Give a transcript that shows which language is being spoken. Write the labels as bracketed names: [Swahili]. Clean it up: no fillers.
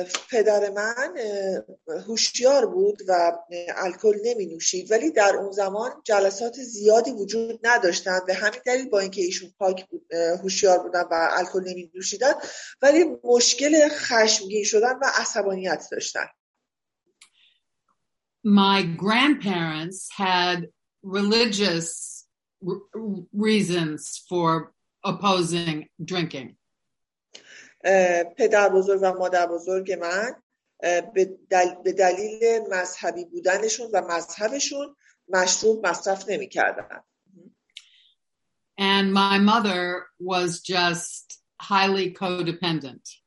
[Persian] پدر من هوشیار بود و الکل نمی نوشید ولی در اون زمان جلسات زیادی وجود نداشتند به همین دلیل با اینکه ایشون پاک هوشیار بودن و الکل نمی نوشیدن ولی مشکل خشمگین شدن و عصبانیت داشتن. [English] My grandparents had religious reasons for opposing drinking. [Persian] پدر بزرگ و مادر بزرگ من به دلیل مذهبی بودنشون و مذهبشون مشروب مصرف نمی کردن. [English] And my mother was just highly codependent.